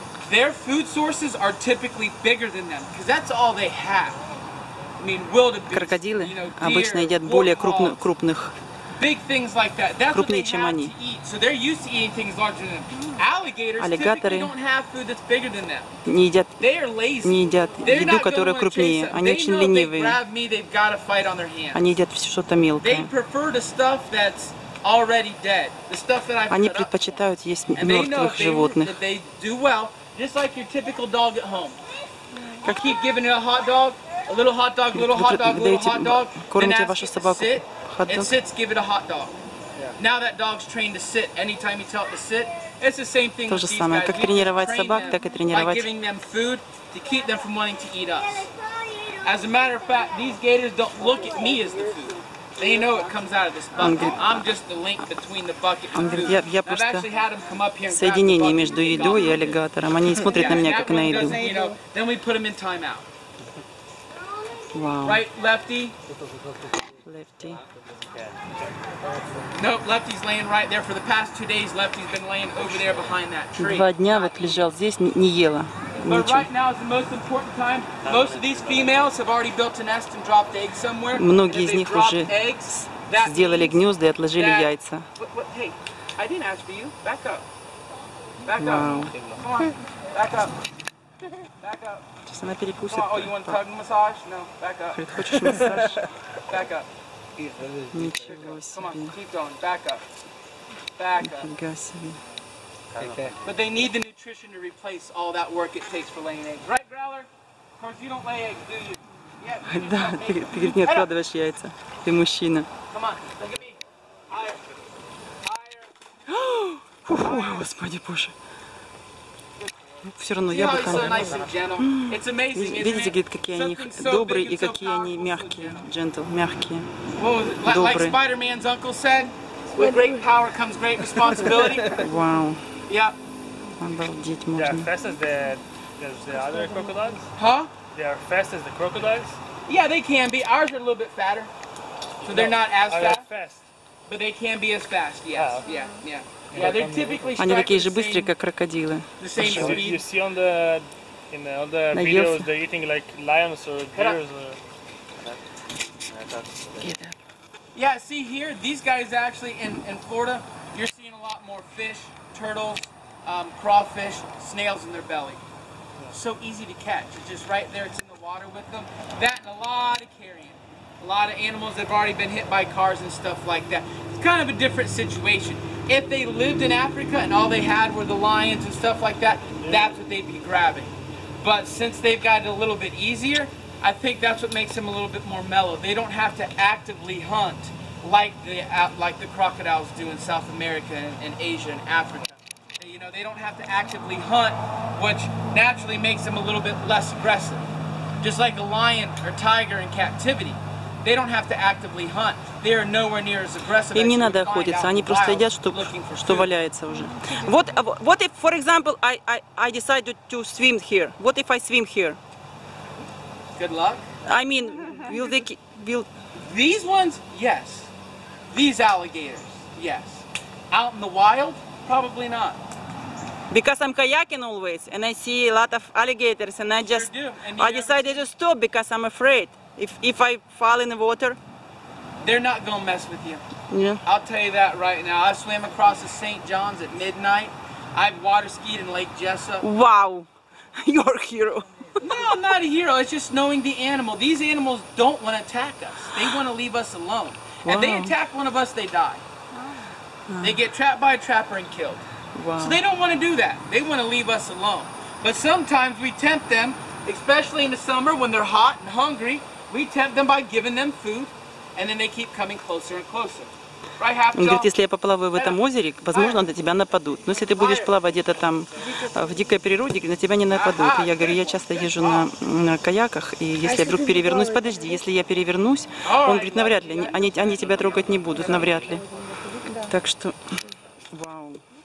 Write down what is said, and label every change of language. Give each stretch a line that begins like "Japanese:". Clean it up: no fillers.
English: Their food sources are typically bigger than them, because that's all they have. I mean, wildebeest,
Russian: крокодилы,
English: you know, deer,
Russian: обычно едят более крупных,
English: big things like that. That's
Russian: крупнее,
English: what they have
Russian: они.
English: To eat. So they're used to eating things larger than them. Alligators
Russian: Аллигаторы
English: typically don't have food that's bigger than them.
Russian: Не едят, еду, которая крупнее. Они
English: they
Russian: очень ленивые.
English: Me, they've got a fight on their hands.
Russian: Они едят все что-то мелкое.
English: They prefer the stuff that's already dead, the stuff that I've
Russian: Они предпочитают есть мертвых животных.
English: They do well. Just like your typical dog at home. You keep giving it a hot dog, a little hot dog, little hot dog, little hot dog, then ask it to sit, it sits, give it a hot dog. Now that dog's trained to sit. Anytime you tell it to sit, it's the same thing with these guys.
Russian: Как тренировать собак, так и тренировать.
English: By giving them food to keep them from wanting to eat us. As a matter of fact, these gators don't look at me as the food. They know it comes out of this bucket. I'm just the link between the bucket and food.
Russian: Я просто соединение между едой и аллигатором. Они смотрят на меня как на еду.
English: Then we put them in timeout. Wow. Right, lefty. Lefty. Nope, lefty's laying right there. For the past 2 days, lefty's been laying over there behind that tree.
Russian: Два дня вот лежал здесь, не ела.
English: But right now is the most important time. Most of these females have already built a nest and dropped eggs somewhere.
Russian: Многие из них уже сделали гнезда и отложили яйца.
English: Hey, I didn't ask for you. Back up. Back up. Come on. Back up. Back up.
Russian: Сейчас она перекусит.
English: Oh, you want to tug massage? No. Back up.
Russian: Говорит, хочешь массаж?
English: Back up.
Russian: Ничего себе.
English: Come on, keep going. Back up. Back up.
Russian: Нифига себе.
English: Okay. But they need the nutrition to replace all that work it takes for laying eggs. Right, Growler? Of course, you don't lay eggs, do you? Yeah.
Russian: Да, ты говорит, не откладываешь яйца. Ты мужчина.
English: Come on, look at me. Higher. Higher.
Russian: Ой, господи, Боже. Все равно
English: you
Russian: я бы там. Видите, говорит, какие они добрые и какие они мягкие. Джентл, мягкие. Добрые.
English: Like Spider-Man's uncle said, with great power comes great responsibility.
Russian: Вау.
English: Yeah.
Russian: Обалдеть можно.
English: They are fast as the other crocodiles? Huh? They are fast as the crocodiles? Yeah, they can be. Ours are a little bit fatter. So they're not as fast. They're fast. But they can be as fast, yes. Yeah, yeah.
Russian: Они такие же быстрые, как крокодилы.
English: You see on the in the other videos they're eating like lions or deers. Or... Yeah, see here, these guys actually in Florida, you're seeing a lot more fish, turtles, crawfish, snails in their belly. So easy to catch. It's just right there. It's in the water with them. That and a lot of carrion. A lot of animals that have already been hit by cars and stuff like that. It's kind of a different situation. If they lived in Africa and all they had were the lions and stuff like that, that's what they'd be grabbing. But since they've got it a little bit easier, I think that's what makes them a little bit more mellow. They don't have to actively hunt like the crocodiles do in South America and Asia and Africa. You know, they don't have to actively hunt, which naturally makes them a little bit less aggressive. Just like a lion or tiger in captivity. They don't have to actively hunt. They are nowhere near as aggressive.
Russian: Им не надо охотиться, они просто едят, что валяется уже.
English: What if, for example, I decided to swim here? What if I swim here? Good luck. I mean, will these ones? Yes. These alligators? Yes. Out in the wild? Probably not. Because I'm kayaking always, and I see a lot of alligators, and I decided to stop because I'm afraid. If I fall in the water, they're not gonna mess with you. Yeah. I'll tell you that right now. I swam across the St. John's at midnight. I water skied in Lake Jessup. Wow, you're a hero. No, I'm not a hero. It's just knowing the animal. These animals don't want to attack us. They want to leave us alone. Wow. If they attack one of us, they die. Wow. They get trapped by a trapper and killed. Wow. So they don't want to do that. They want to leave us alone. But sometimes we tempt them. Especially in the summer when they're hot and hungry, we tempt them by giving them food, and then they keep coming closer and closer. Right, Hapjaw?
Russian: Он говорит, если я поплаваю в этом озере, возможно, на тебя нападут. Но если ты будешь плавать где-то там в дикой природе, на тебя не нападут. И я говорю, я часто езжу на каяках, и если я вдруг перевернусь, подожди, если я перевернусь, он говорит, навряд ли, они тебя трогать не будут, навряд ли. Так что, вау.